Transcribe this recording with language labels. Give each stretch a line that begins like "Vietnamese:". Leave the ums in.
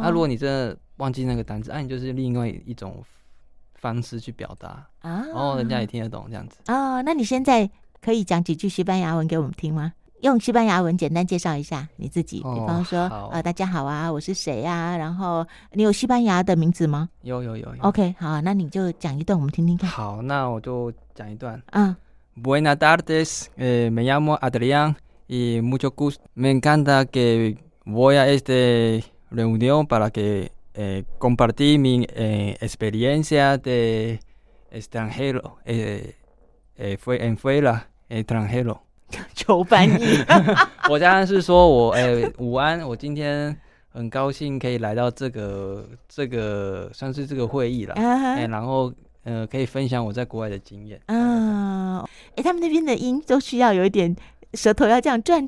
Chinese: 那、啊、如果你真的忘记那个单词，哎、啊，你就是另外一种方式去表达啊，哦、然后人家也听得懂这样子。哦，那你现在可以讲几句西班牙文给我们听吗？用西班牙文简单介绍一下你自己，比方说啊，大家好啊，我是谁呀？然后你有西班牙的名字吗？有有有。OK，好，那你就讲一段，我们听听看。好，那我就讲一段。
Spanish: 嗯，Buenas tardes, eh, me llamo Adrián y mucho gusto. Me encanta que voy a esta reunión para que compartí mi experiencia de extranjero, eh, fue en fuera extranjero.
Chinese: 求翻译。我当然是说我，我哎 、欸，午安！我今天很高兴可以来到这个这个，算是这个会议啦。哎、uh huh. 欸，然后呃，可以分享我在国外的经验、uh huh. 嗯。嗯，哎、欸，他们那边的音都需要有一点舌头要这样转